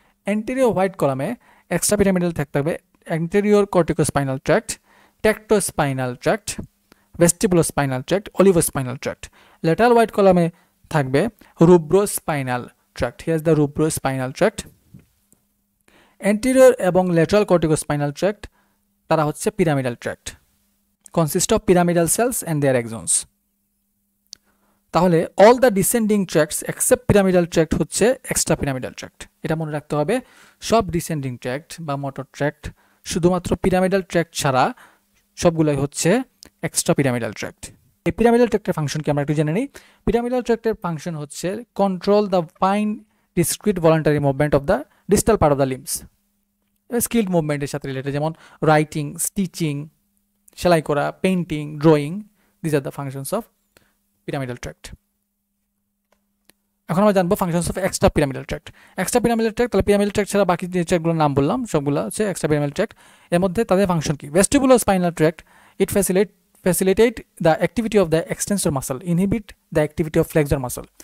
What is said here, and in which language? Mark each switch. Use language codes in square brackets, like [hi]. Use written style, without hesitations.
[bn] Anterior white কলামে extra pyramidal tract থাকবে anterior cortico spinal tract, ট্যাক্টো spinal tract, ভেস্টিবুলো spinal tract, অলিভো spinal tract. Lateral white কলামে থাকবে রুব্রো spinal tract, [en] Here is the rubro spinal tract. [bn] Anterior এবং lateral cortico spinal tract তারা হচ্ছে pyramidal tract. [en] consist of pyramidal cells and their axons. [bn] তাহলে [en] all the descending tracts except pyramidal tract [bn] হচ্ছে extrapyramidal tract. এটা মনে রাখতে হবে, সব descending tract বা motor tract শুধুমাত্র pyramidal tract ছাড়া সবগুলোই হচ্ছে extrapyramidal tract. এই pyramidal tract এর ফাংশন কি আমরা একটু জেনে নিই. [en] Pyramidal tract [bn] এর ফাংশন হচ্ছে [en] control the fine discrete voluntary movement of the distal part of the limbs. Skilled movement এর সাথে related, যেমন writing, stitching, [bn] সেলাই করা, [en] painting, drawing, these are the functions of pyramidal tract. [bn] এখন আমরা জানবো [en] Functions of extra pyramidal tract. [bn] Extra pyramidal tract, তাহলে pyramidal tract ছাড়া বাকি যে ট্র্যাকগুলোর নাম বললাম সবগুলো হচ্ছে এক্সট্রা পিরামিডাল ট্র্যাক্ট. এর মধ্যে তাদের ফাংশন কি? [en] Vestibular spinal tract, it facilitate the activity of the extensor muscle, inhibit the activity of flexor muscle.